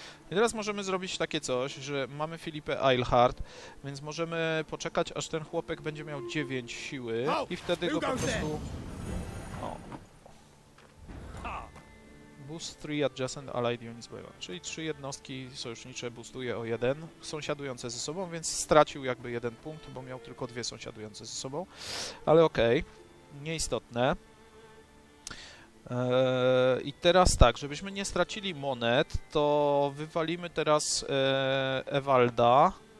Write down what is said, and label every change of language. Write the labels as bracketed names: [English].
[Polish] I teraz możemy zrobić takie coś, że mamy Filipę Eilhart, więc możemy poczekać, aż ten chłopek będzie miał 9 siły i wtedy go po prostu... O. [English] Boost 3 adjacent allied units by 1. [Polish] Czyli 3 jednostki sojusznicze boostuje o 1, sąsiadujące ze sobą, więc stracił jakby jeden punkt, bo miał tylko dwie sąsiadujące ze sobą. Ale okej, okay, nieistotne. I teraz tak, żebyśmy nie stracili monet, to wywalimy teraz Ewalda.